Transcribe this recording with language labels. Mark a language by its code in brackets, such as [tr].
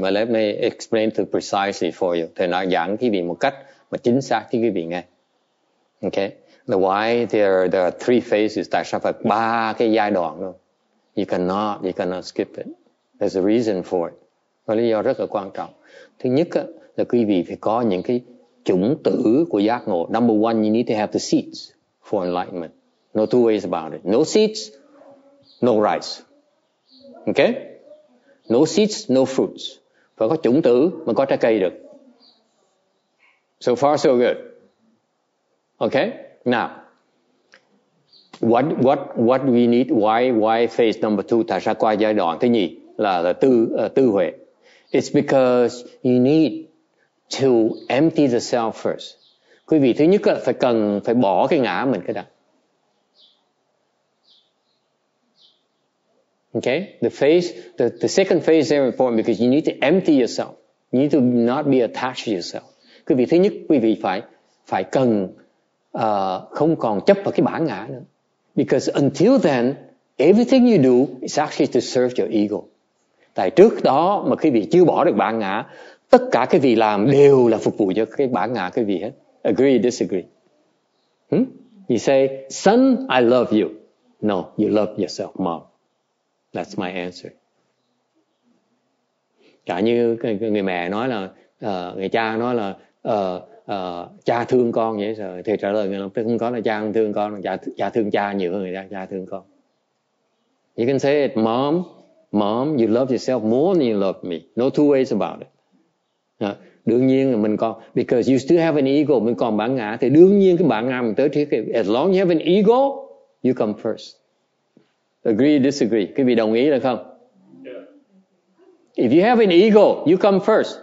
[en] But let me explain to precisely for you. [vi] Thầy nói giảng quý vị một cách mà chính xác cho quý vị nghe. Okay. [en] The why there are three phases. [vi] Tại sao phải ba cái giai đoạn đâu? [en] You cannot skip it. There's a reason for it. [vi] Và lý do rất là quan trọng. Thứ nhất là quý vị phải có những cái chủng tử của giác ngộ. [en] Number one, you need to have the seeds for enlightenment. No two ways about it. No seeds, no rice. Okay? No seeds, no fruits. [vi] Phải có chủng tử mà có trái cây được. [en] So far, so good. [vi] Okay? [en] Now, what we need, why phase number two, [vi] tại sao qua giai đoạn thứ nhì là tư huệ? [en] It's because you need to empty the self first. [vi] Quý vị thứ nhất là phải bỏ cái ngã mình cái đã. [en] Okay, the second phase is very important because you need to empty yourself. You need to not be attached to yourself. [vi] Quý vị thứ nhất, quý vị phải cần không còn chấp vào cái bản ngã nữa. [en] Because until then, everything you do is actually to serve your ego. [vi] Tại trước đó mà cái vị chưa bỏ được bản ngã, tất cả cái vị làm đều là phục vụ cho cái bản ngã cái vị hết. [en] Agree, disagree? You say, son, I love you. No, you love yourself more. That's my answer. [vi] Cả như người mẹ nói là, người cha nói là, cha thương con vậy, thì trả lời người là không có, là cha không thương con, cha thương cha nhiều hơn người cha thương con. [en] You can say it, mom, mom, you love yourself more than you love me. No two ways about it. [vi] Đương nhiên là mình còn, [en] because you still have an ego, [vi] mình còn bản ngã, thì đương nhiên cái bản ngã mình tới trước, [en] as long you have an ego, you come first. Agree, disagree? [vi] Quý vị đồng ý là không? [en] Yeah. If you have an ego, you come first.